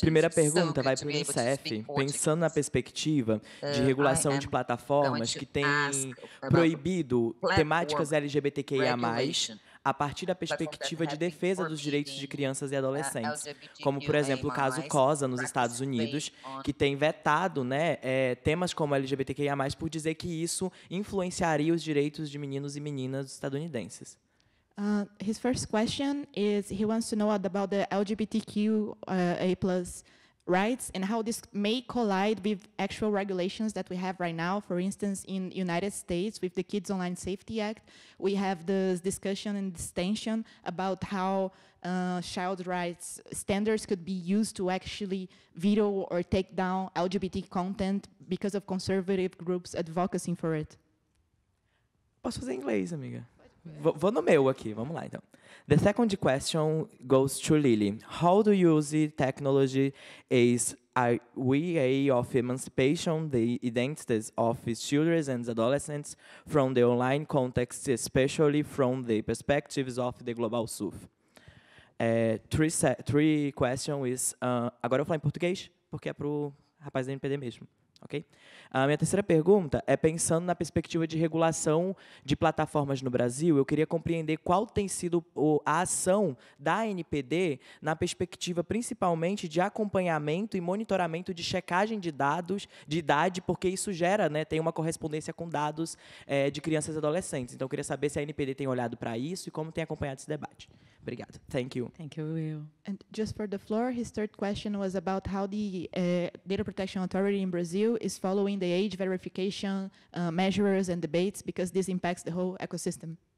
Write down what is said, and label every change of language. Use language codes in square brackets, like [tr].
[pt] Primeira pergunta vai para o INSEF. Pensando na perspectiva de regulação de plataformas que tem proibido temáticas LGBTQIA+, a partir da perspectiva de defesa dos direitos de crianças e adolescentes, como, por exemplo, o caso COSA nos Estados Unidos, que tem vetado, né, temas como LGBTQIA+, por dizer que isso influenciaria os direitos de meninos e meninas estadunidenses. [en] His first question is, he wants to know about the LGBTQIA+ rights and how this may collide with actual regulations that we have right now. For instance, in United States with the Kids Online Safety Act, we have this discussion and this tension about how child rights standards could be used to actually veto or take down LGBT content because of conservative groups advocating for it. [pt] Posso fazer inglês, amiga? Vou no meu aqui, vamos lá então. [en] The second question goes to Lily. How do you use technology as a way of emancipation the identities of children and adolescents from the online context, especially from the perspectives of the global south? Three question is, [pt] agora eu vou falar em português, porque é para o rapaz da NPD mesmo. [en] Okay? [pt] A minha terceira pergunta é, pensando na perspectiva de regulação de plataformas no Brasil, eu queria compreender qual tem sido a ação da NPD na perspectiva, principalmente, de acompanhamento e monitoramento de checagem de dados de idade, porque isso gera, né, tem uma correspondência com dados de crianças e adolescentes. Então, eu queria saber se a NPD tem olhado para isso e como tem acompanhado esse debate. Obrigado. [en] Thank you. Thank you, Will. And just for the floor, his third question was about how the Data Protection Authority in Brazil is following the age verification measures and debates, because this impacts the whole ecosystem.